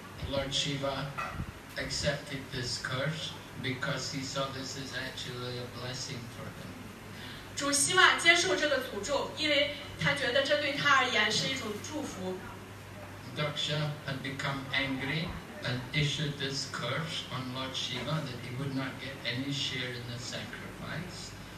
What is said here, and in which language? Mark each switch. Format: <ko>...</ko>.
<en>Lord Shiva accepted this curse because he saw this is actually a blessing for him.</en> <zh>主希瓦接受这个诅咒，因为他觉得这对他而言是一种祝福。</zh> <en>Daksha had become angry and issued this curse on Lord Shiva that he would not get any share in the sacrifice.</en>